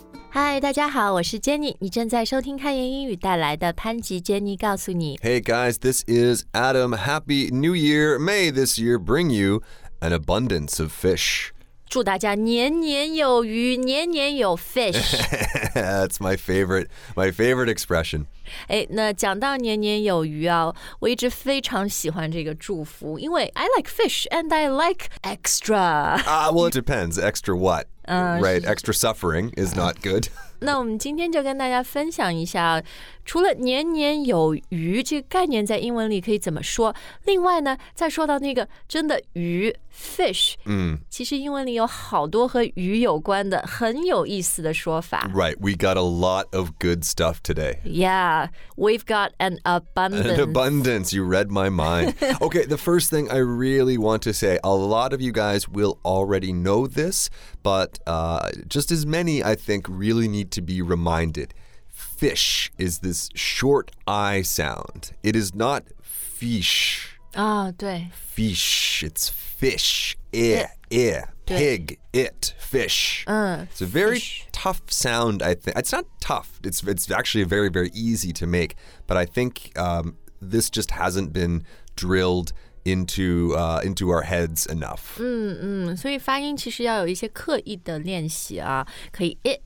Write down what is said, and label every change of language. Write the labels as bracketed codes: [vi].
[zh] 嗨，大家好，我是 Jenny， 你正在收听开言英语带来的潘吉 Jenny 告诉你。 [en] Hey guys, this is Adam. Happy New Year. May this year bring you an abundance of fish. [zh] 祝大家年年有余，年年有 fish. [en] That's my favorite expression. [zh] 哎，那讲到年年有余啊，我一直非常喜欢这个祝福，因为 [en] I like fish and I like extra. Well, it depends. Extra what? Right, extra suffering is not good. [zh] 那我们今天就跟大家分享一下，除了年年有余这个概念在英文里可以怎么说，另外呢，再说到那个真的鱼 fish， 其实英文里有好多和鱼有关的很有意思的说法。 [en] Right, we got a lot of good stuff today. Yeah, we've got an abundance. An abundance, you read my mind. Okay, the first thing I really want to say, a lot of you guys will already know this, but just as many, I think, really need to be reminded. Fish is this short I sound. It is not fish. [zh] Ah, 对 [en] Fish, it's fish. Pig, it, fish. It's a very tough sound, I think. It's not tough. It's actually very, very easy to make. But I think this just hasn't been drilled into our heads enough. [zh] 所以发音其实要有一些刻意的练习啊，可以